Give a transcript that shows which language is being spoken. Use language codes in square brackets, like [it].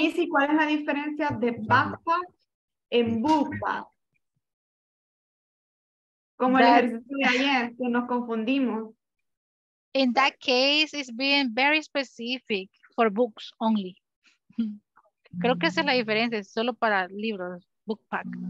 [es] Missy, ¿cuál es la diferencia de backpack en bookpack? Como el ejercicio de ayer, que nos confundimos. [en] In that case, it's being very specific for books only. [es] Creo que esa es la diferencia, solo para libros, bookpack.